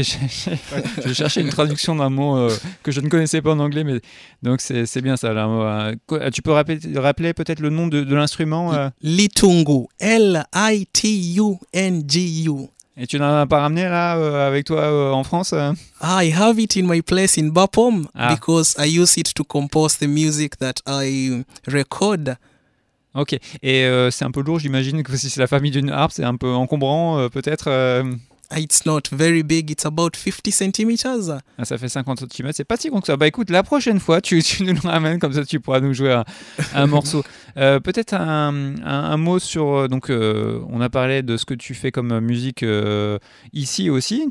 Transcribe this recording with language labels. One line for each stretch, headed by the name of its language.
French: Je cherchais une traduction d'un mot que je ne connaissais pas en anglais, mais donc c'est bien ça. Là. Tu peux rappeler peut-être le nom de l'instrument Litungu, L-I-T-U-N-G-U. Et tu n'en as pas ramené là avec toi en France?
English: I have it in my place in Bapaume, ah. Because I use it to compose the music that I record.
French: Ok, et c'est un peu lourd, j'imagine que si c'est la famille d'une harpe, c'est un peu encombrant, peut-être
English: It's not very big, it's about 50 centimeters.
French: Ah, ça fait 50 centimètres, c'est pas si grand que ça. Bah écoute, la prochaine fois, tu nous le ramènes, comme ça tu pourras nous jouer un morceau. Peut-être un mot sur... Donc, on a parlé de ce que tu fais comme musique ici aussi.